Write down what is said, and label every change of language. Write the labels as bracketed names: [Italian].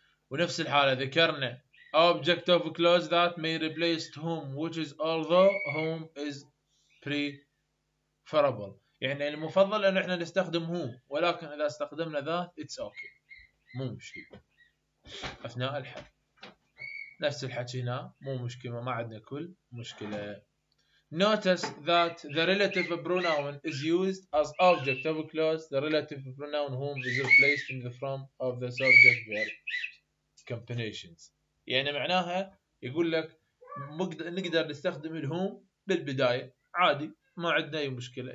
[Arabic] ونفس الحاله ذكرنا [English] object of clause that may replace whom which is although whom is preferable، [Arabic] يعني المفضل ان احنا نستخدم whom، ولكن اذا استخدمنا ذات [English] it's okay، [Arabic] مو مشكله اثناء الحل. نفس الحكي هنا، مو مشكله، ما عندنا كل مشكله. [English] Notice that the relative pronoun is used as object of clause. The relative pronoun whom is replaced in the form of the subject verb combinations. [Arabic] يعني معناها يقول لك نقدر نستخدم الهوم بالبداية عادي، ما عندنا أي مشكلة.